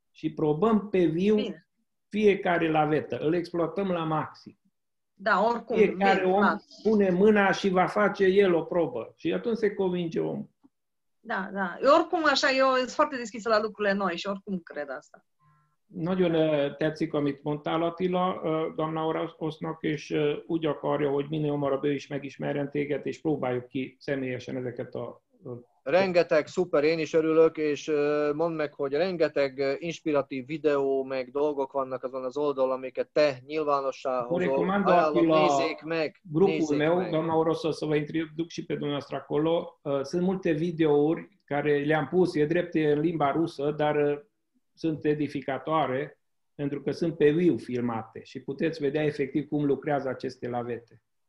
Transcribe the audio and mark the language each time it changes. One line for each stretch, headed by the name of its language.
Romanian: Și probăm pe viu fiecare lavetă. Îl exploatăm la maxim. Da, oricum. Fiecare om pune mâna și va face el o probă. Și atunci se convinge omul. Da, da. Oricum, așa, eu sunt foarte deschisă la lucrurile noi și oricum cred asta.
Hungarian: No, jön tetszik, amit mondtál, Attila, doamna Orosznak, és úgy akarja, hogy minél hamarabb ő is megismerjen téged, és próbáljuk ki személyesen ezeket a... Rengeteg, szuper, én is örülök, és mondd meg, hogy rengeteg inspiratív videó, meg dolgok vannak azon az oldalon, amiket te nyilvánossá hozol. Ajánlom, nézzék meg!
Romanian: Grupul meu, doamna Orosznak, să vă introduc și pe dumneavoastră acolo. Sunt multe videouri care le-am pus, e drept, în limba rusă, dar... sunt edificatoare, pentru că sunt pe Wii filmate și puteți vedea efectiv cum lucrează aceste lavete.